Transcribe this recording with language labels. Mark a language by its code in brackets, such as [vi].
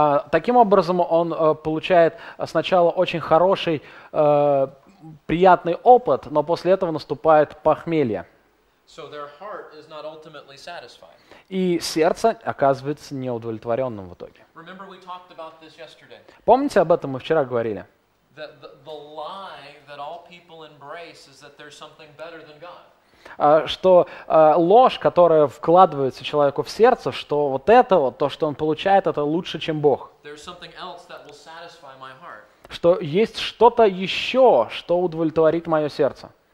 [ru] Таким образом, он получает сначала очень хороший приятный опыт, но после этого наступает похмелье. [en] So their heart is not ultimately satisfied. [ru] И сердце оказывается неудовлетворенным в итоге. [en] Remember, we talked about this yesterday. [ru] Помните, об этом мы вчера говорили? [en] The lie that all people embrace is that there's something better than God. [ru] Что ложь, которая вкладывается человеку в сердце, что вот это вот, то, что он получает, это лучше, чем Бог. [en] There's something else that will satisfy my heart. [ru] Что есть что-то еще, что удовлетворит мое сердце.